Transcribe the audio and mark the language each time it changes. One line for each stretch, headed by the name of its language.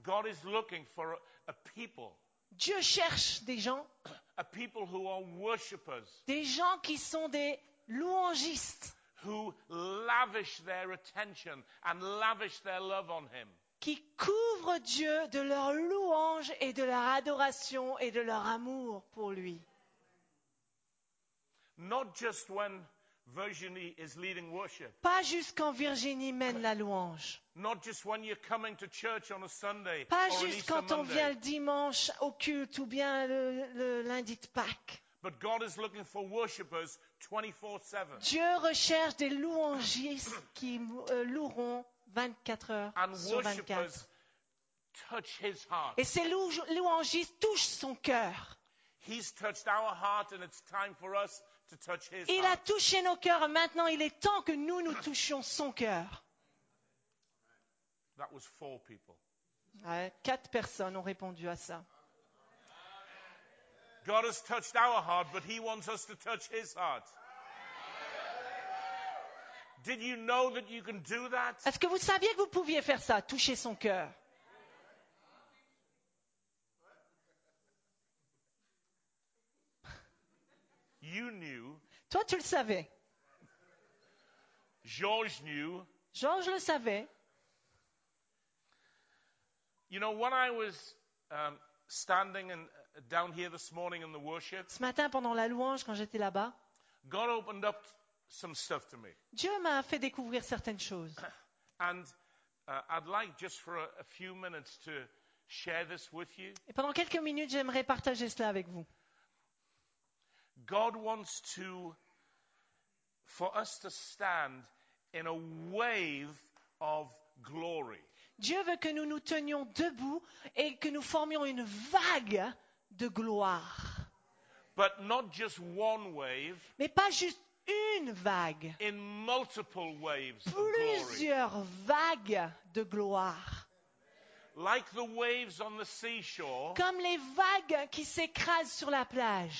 English: God is looking for a people.
French: Dieu cherche des gens,
English: a people who are worshippers,
French: des gens qui sont des louangistes,
English: who lavish their attention and lavish their love on him.
French: Qui couvrent Dieu de leur louange et de leur adoration et de leur amour pour lui.
English: Not just when Virginie is leading worship.
French: Pas juste quand Virginie mène la louange.
English: Not just when you're coming to church on a Sunday.
French: Pas juste quand on vient le dimanche au culte ou bien le lundi de Pâques.
English: But God is looking for worshippers 24/7.
French: Dieu recherche des louangistes qui loueront 24 heures
English: and
French: sur 24.
English: Worshippers touch his heart.
French: Et ces louangistes touchent son cœur.
English: He's touched our heart and it's time for us.
French: Il a touché nos cœurs, maintenant il est temps que nous nous touchions son cœur.
English: That was four people.
French: Ouais, quatre personnes ont répondu à ça.
English: God has touched our heart, but he wants us to touch his heart. Did you know that you can do that?
French: Est-ce que vous saviez que vous pouviez faire ça, toucher son cœur?
English: You knew.
French: Toi, tu le savais.
English: George knew.
French: George le savait.
English: You know, when I was standing in, down here this morning in the worship.
French: Ce matin, pendant la louange, quand j'étais là-bas.
English: God opened up some stuff to me.
French: Dieu m'a fait découvrir certaines choses.
English: And I'd like just for a few minutes to share this with you.
French: Et pendant quelques minutes, j'aimerais partager cela avec vous.
English: God wants to, for us to stand in a wave of glory.
French: Dieu veut que nous nous tenions debout et que nous formions une vague de gloire.
English: But not just one wave.
French: Mais pas juste une vague.
English: In multiple waves.
French: Plusieurs vagues de gloire.
English: Like the waves on the seashore,
French: comme les vagues qui s'écrasent sur la plage.